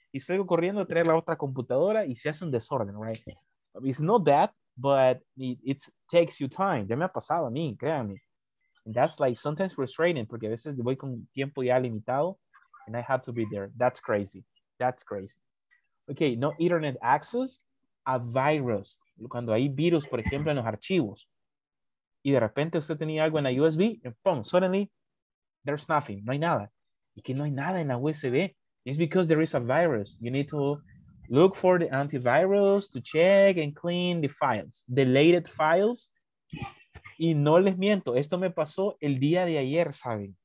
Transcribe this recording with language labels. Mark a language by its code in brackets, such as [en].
[es] Y salgo corriendo a traer la otra computadora y se hace un desorden, right? [en] It's not that, but it takes you time. Ya me ha pasado a mí, créanme. And that's like sometimes frustrating porque a veces voy con tiempo ya limitado and I have to be there. That's crazy. That's crazy. Okay, no internet access, a virus. [es] Cuando hay virus, por ejemplo, en los archivos. Y de repente usted tenía algo en la USB, and boom, suddenly, there's nothing. No hay nada. Y que no hay nada en la USB. [en] It's because there is a virus. You need to look for the antivirus to check and clean the files. Deleted files. [es] Y no les miento, esto me pasó el día de ayer, ¿saben?